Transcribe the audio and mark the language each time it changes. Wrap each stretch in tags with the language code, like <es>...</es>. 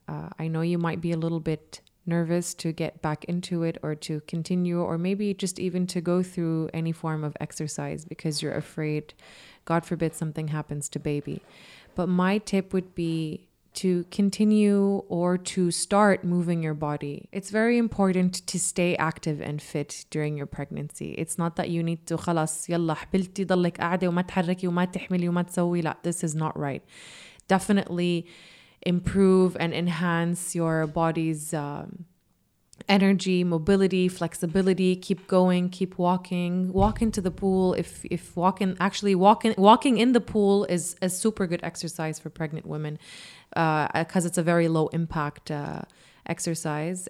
<en>I know you might be a little bit nervous to get back into it or to continue, or maybe just even to go through any form of exercise because you're afraid, God forbid, something happens to baby. But my tip would be to continue or to start moving your body. It's very important to stay active and fit during your pregnancy. It's not that you need to</en> <ar>خلاص يلا حبلتي ضلك قاعدة وما تحركي وما تحملي وما تسوي. لا,</ar> <en>this is not right. Definitely improve and enhance your body's energy, mobility, flexibility. Keep going, keep walking, walk into the pool. Walking in the pool is a super good exercise for pregnant women because it's a very low impact exercise.</en>